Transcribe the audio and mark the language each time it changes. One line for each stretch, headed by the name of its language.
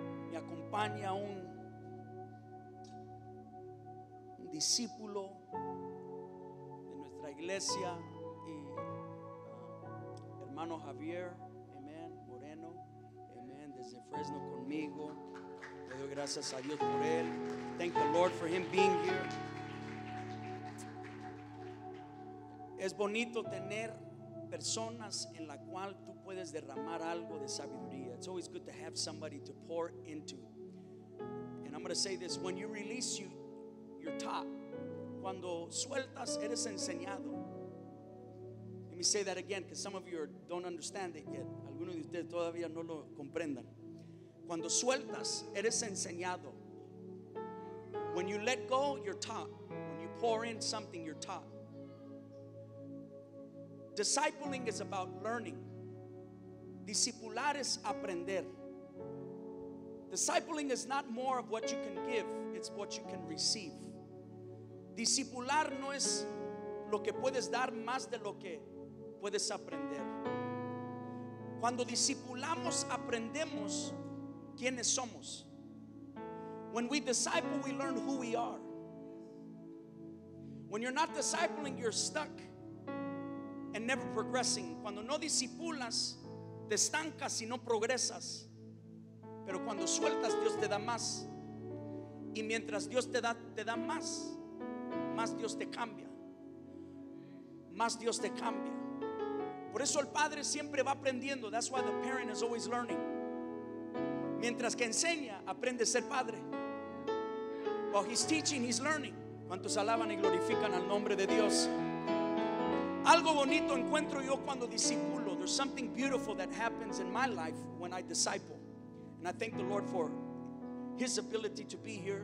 Spanish: Me acompaña un discípulo de nuestra iglesia y hermano Javier, amén, Moreno, amén, desde Fresno conmigo. Le doy gracias a Dios por él.
English: Thank the Lord for him being here.
Spanish: Es bonito tener personas en la cual tú puedes derramar algo de sabiduría.
English: It's always good to have somebody to pour into. And I'm going to say this: when you release your top,
Spanish: cuando sueltas, eres enseñado.
English: Let me say that again, because some of you don't understand it yet.
Spanish: Algunos de ustedes todavía no lo comprendan. Cuando sueltas, eres enseñado.
English: When you let go, you're taught. When you pour in something, you're taught. Discipling is about learning.
Spanish: Discipular es aprender.
English: Discipling is not more of what you can give, it's what you can receive.
Spanish: Discipular no es lo que puedes dar más de lo que puedes aprender. Cuando discipulamos, aprendemos quiénes somos.
English: When we disciple, we learn who we are. When you're not discipling, you're stuck and never progressing.
Spanish: Cuando no discipulas, te estancas y no progresas. Pero cuando sueltas, Dios te da más. Y mientras Dios te da más, más Dios te cambia. Más Dios te cambia. Por eso el padre siempre va aprendiendo.
English: That's why the parent is always learning.
Spanish: Mientras que enseña, aprende a ser padre.
English: While he's teaching, he's learning.
Spanish: ¿Cuántos alaban y glorifican al nombre de Dios? Algo bonito encuentro yo cuando discipulo.
English: There's something beautiful that happens in my life when I disciple. And I thank the Lord for his ability to be here.